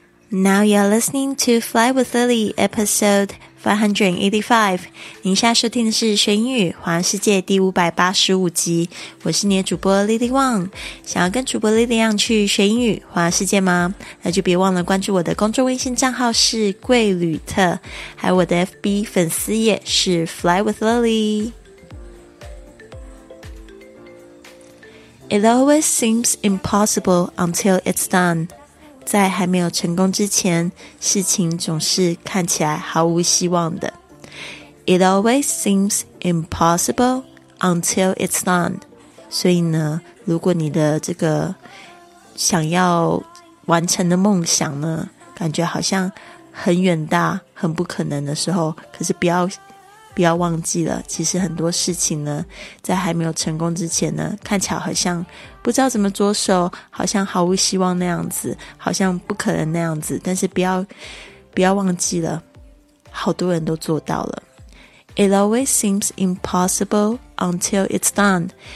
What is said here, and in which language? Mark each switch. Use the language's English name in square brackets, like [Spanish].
[English] Now you're listening to Fly with Lily, episode 585. [Chinese] 您现在收听的是《学英语环游世界》第585集。我是你的主播 Lily Wang。想要跟主播 Lily Wang 去学英语环游世界吗？那就别忘了关注我的公众微信账号是贵旅特，还有我的 FB 粉丝页是 Fly with Lily。 [English] It always seems impossible until it's done. [Chinese] 在还没有成功之前，事情总是看起来毫无希望的。 [English] It always seems impossible until it's done. [Chinese] 所以呢，如果你的这个想要完成的梦想呢，感觉好像很远大、很不可能的时候，可是不要忘记了，其实很多事情呢，在还没有成功之前呢，看起来好像不知道怎么着手，好像毫无希望那样子，好像不可能那样子，但是不要忘记了，好多人都做到了。 [English] It always seems impossible until it's done.